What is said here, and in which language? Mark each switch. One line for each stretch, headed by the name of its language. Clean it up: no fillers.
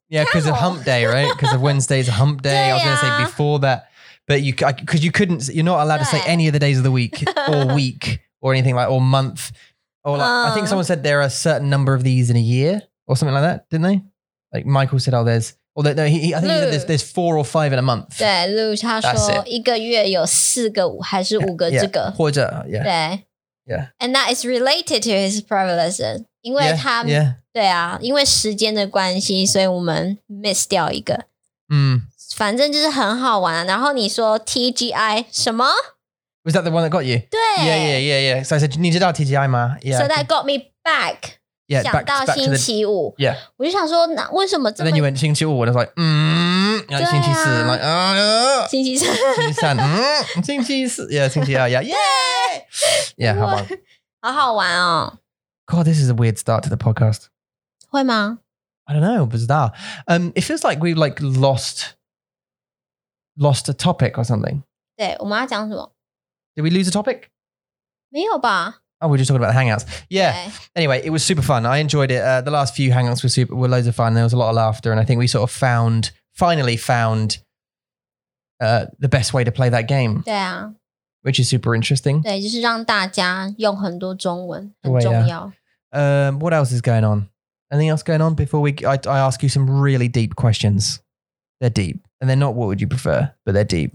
English: Yeah, because of hump day, right? Because of Wednesday's a hump day. Yeah, I was going to say before that. But you're not allowed to say any of the days of the week or week or anything like, or month. Or like, I think someone said there are a certain number of these in a year or something like that, didn't they? Like Michael said, oh, there's, or that, no, he, I think Lu, he said there's four or five in a month.
Chinese: 对 Lu, 他说一个月有四个还是五个这个。或者, yeah. 对。
English: Yeah. And that is related to his private lesson.
Chinese: 因为他
English: yeah, yeah.
Chinese: 对啊，因为时间的关系，所以我们 miss 掉一个。反正就是很好玩啊。然后你说 TGI 什么
English: ？Was that the one that got you？
Chinese: 对
English: ，Yeah, yeah, yeah, yeah. So I said,
Chinese: 你知道 TGI 吗
English: ？Yeah. So that got me back. Yeah,
Chinese: 想到星期五。
English: Yeah.
Chinese: 我就想说，那为什么这么
English: ？Then you went
Chinese: 星期五
English: ，and I was like,
Chinese: 然后星期四
English: ，like 啊，
Chinese: 星期三，星期三，星期四
English: ，Yeah,
Chinese: 星期二
English: ，Yeah, yeah, yeah.
Chinese: 好好玩哦。
English: God, this is a weird start to the podcast.
Chinese: 会吗
English: I don't know, bizarre. It feels like we like lost a topic or something.
Chinese: 对我们要讲什么
English: Did we lose a topic?
Chinese: 没有吧
English: Oh, we're just talking about the hangouts. Yeah. Anyway, it was super fun. I enjoyed it. The last few hangouts were loads of fun. There was a lot of laughter. And I think we sort of finally found the best way to play that game.
Chinese: 对啊
English: Which is super interesting.
Chinese: 对就是让大家用很多中文很重要
English: What else is going on? Anything else going on before I ask you some really deep questions? They're deep. And they're not what would you prefer, but they're deep.